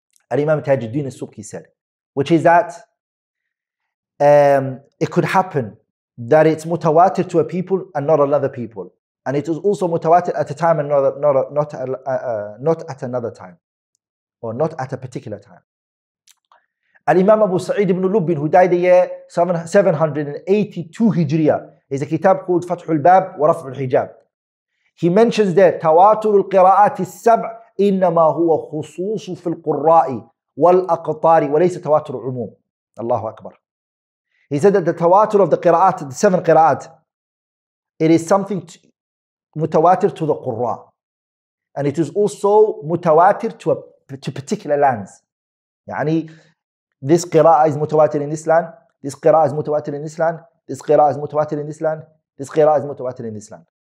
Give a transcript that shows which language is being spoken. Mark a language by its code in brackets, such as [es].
[en] Al-Imam Tajuddin al-Subki said, which is that it could happen that it's mutawatir to a people and not another people, and it is also mutawatir at a time and not at another time, or not at a particular time. Al-Imam Abu Sa'id ibn Lubbin, who died the year 782 Hijriya, is a kitab called Fathul Bab wa Raf'ul Hijab. He mentions there tawatur al-qira'at al-sab' [ar] إنما هو خصوص في القراء والأقطار وليس تواتر العموم. الله أكبر. [en] He said that the tawatur of the qira'at, the seven qira'at, it is something mutawatir to the qurra, and it is also mutawatir to particular lands. يعني this qira'a is mutawatir in this land, this qira'a is mutawatir in this land, this qira'a is mutawatir in this land, this qira'a is mutawatir in this land.